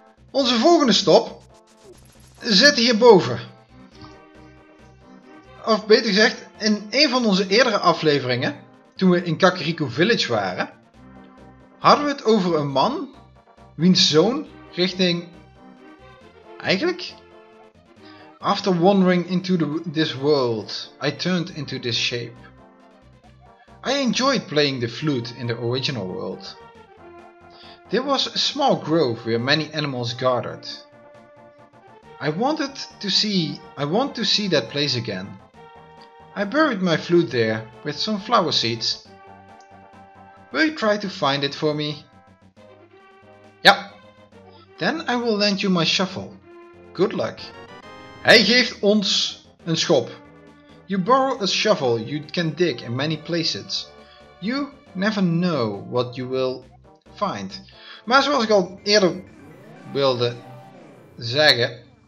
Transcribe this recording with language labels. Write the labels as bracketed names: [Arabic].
[Dutch] Onze volgende stop... Zit hierboven. Of beter gezegd, in een van onze eerdere afleveringen, toen we in Kakariko Village waren, hadden we het over een man, wiens zoon richting... Eigenlijk? [English] After wandering into this world, I turned into this shape. I enjoyed playing the flute in the original world. There was a small grove where many animals gathered. I want to see that place again. I buried my flute there with some flower seeds. Will you try to find it for me? Ja. Then I will lend you my shuffle. Good luck. [Dutch] Hij geeft ons een schop. [English] You borrow a shovel you can dig in many places. You never know what you will find. [Dutch] Maar zoals ik al eerder wilde zeggen...